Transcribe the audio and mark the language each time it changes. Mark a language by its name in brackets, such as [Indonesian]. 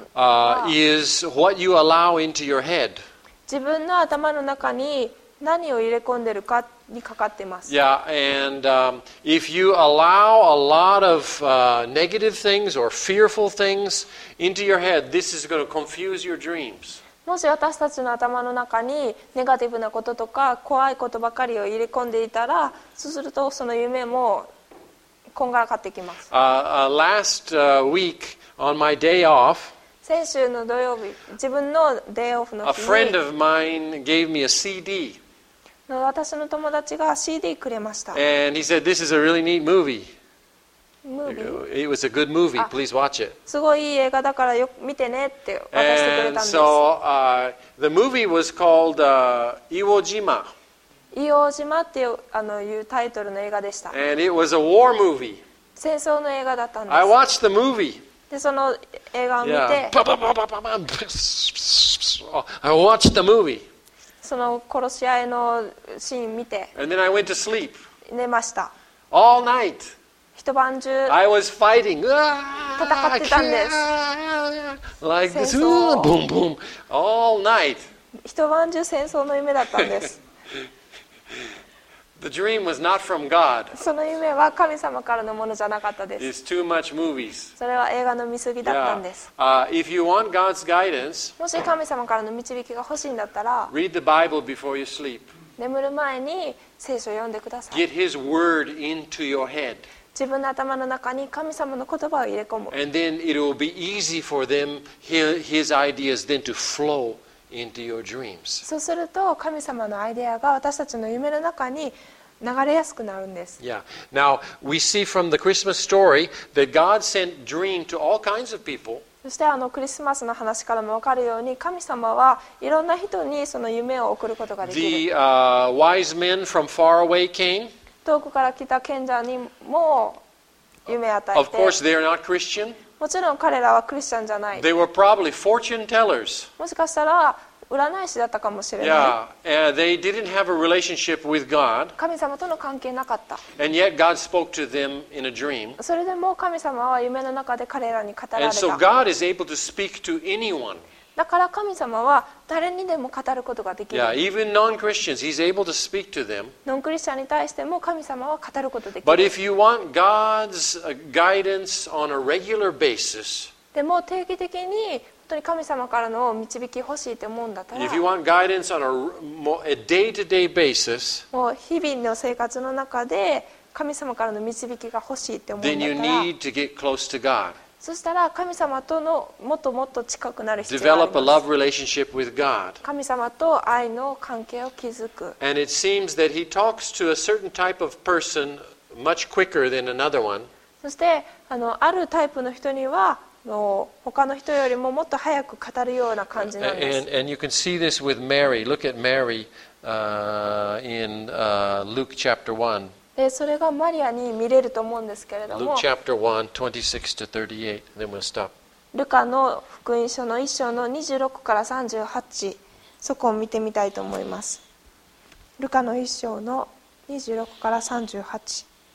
[English] は、is what you allow into your head. [Japanese] 自分の頭の中に何を入れ込んでるかにかかってます。 [English] Yeah, and if you allow a lot of negative things or fearful things into your head, this is going to confuse your dreams. [Japanese] もし私たちの頭の中にネガティブなこととか怖いことばかりを入れ込んでいたら、そうするとその夢もこんがらかってきます。 [English] Last week on my day off, [Japanese] 先週の土曜日、自分のデイオフの日に、 [English] a friend of mine gave me a CD. [Japanese] 私の友達が CD くれました。 [English] And he said, "This is a really neat movie." Movie? It was a good movie. Please watch it. [Japanese] すごいいい映画だからよく見てねって渡してくれたんです。 [English] And so, the movie was called, Iwo Jima. [Japanese] 伊予島っていう、あの、いうタイトルの映画でした。 [English] And it was a war movie. [Japanese] 戦争の映画だったんです。 [English] I watched the movie. [Japanese] で、その映画を見て、 [English] パパパパパパン、プスプスプス、I watched the movie. [Japanese] その殺し合いのシーン見て、 [English] And then I went to sleep. [Japanese] 寝ました。 [English] All night. [Japanese] 一晩中、 [English] I was fighting. [Japanese] 戦ってたんです。 [English] Like this, boom, boom. All night. [Japanese] 一晩中戦争の夢だったんです。 [English] The dream was not from God. [Japanese] その夢は神様からのものじゃなかったです。 [English] It's too much movies. [Japanese] それは映画の見過ぎだったんです。 [English] Yeah. If you want God's guidance, [Japanese] もし神様からの導きが欲しいんだったら、 [English] read the Bible before you sleep. [Japanese] 眠る前に聖書を読んでください。 [English] Get His word into your head. [Japanese] 自分の頭の中に神様の言葉を入れ込む。 [English] And then it will be easy for them, His ideas then to flow. Into your dreams. [Japanese] そうすると神様のアイデアが私たちの夢の中に流れやすくなるんです。 [English] Yeah. Now we see from the Christmas story that God sent dream to all kinds of people. [Japanese] そしてあのクリスマスの話からも分かるように神様はいろんな人にその夢を送ることができる。 [English] The wise men from far away came. [Japanese] 遠くから来た賢者にも夢与えて。 [English] Of course, they are not Christian. [Japanese] もちろん彼らはクリスチャンじゃない。 [English] They were probably fortune tellers. [Japanese] もしかしたら占い師だったかもしれない。 [English] Yeah. They didn't have a relationship with God. [Japanese] 神様との関係なかった。 [English] And yet God spoke to them in a dream. [Japanese] それでも神様は夢の中で彼らに語られた。 [English] And so God is able to speak to anyone. [Japanese] だから神様は誰にでも語ることができる。 [English] Yeah, even non-Christians, he's able to speak to them. [Japanese] ノンクリスチャンに対しても神様は語ることができる。 [English] But if you want God's guidance on a regular basis, [Japanese] でも定期的に本当に神様からの導き欲しいと思うんだったら、 [English] if you want guidance on a day-to-day basis, [Japanese] もう日々の生活の中で神様からの導きが欲しいと思うんだったら、 [English] then you need to get close to God. [Japanese] そしたら神様とのもっともっと近くなる必要があります。 [English] Develop a love relationship with God. [Japanese] 神様と愛の関係を築く。 [English] And it seems that he talks to a certain type of person much quicker than another one. [Japanese] そして あるタイプの人には他の人よりももっと早く語るような感じなんです。 [English] And you can see this with Mary. Look at Mary in Luke chapter 1. [Japanese] でそれがマリアに見れると思うんですけれども。 [English] Luke chapter 1:26-38, then we'll stop. [Japanese] ルカの福音書の1章の26から38、そこを見てみたいと思います。ルカの1章の26から38。